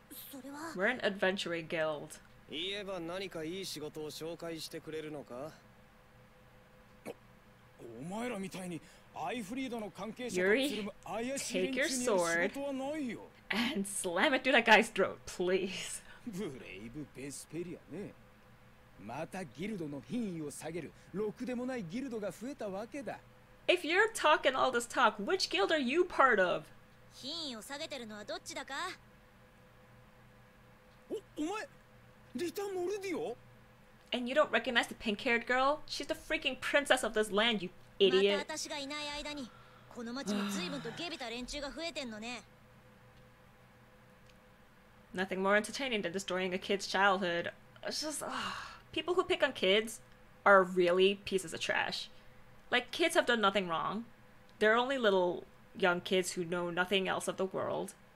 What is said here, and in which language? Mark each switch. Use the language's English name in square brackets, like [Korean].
[Japanese] それは。 [English] We're an adventuring guild. [Japanese] 言えば何かいい仕事を紹介してくれるのか? お前らみたいにアイフリードの関係者とつるむ怪しい連中には仕事はないよ。 [English] And slam it through that guy's throat, please. [Japanese] ブレイブ・ベスペリアね。またギルドの品位を下げる、ろくでもないギルドが増えたわけだ。 [English] If you're talking all this talk, which guild are you part of? [Japanese] 品位を下げてるのはどっちだか? お前リタ・モルディオ? [English] And you don't recognize the pink-haired girl? She's the freaking princess of this land, you idiot. [Japanese] また私がいない間に、この町も随分と下びた連中が増えてんのね。 [English] Nothing more entertaining than destroying a kid's childhood. It's just, people who pick on kids are really pieces of trash. Like, kids have done nothing wrong. They're only little young kids who know nothing else of the world.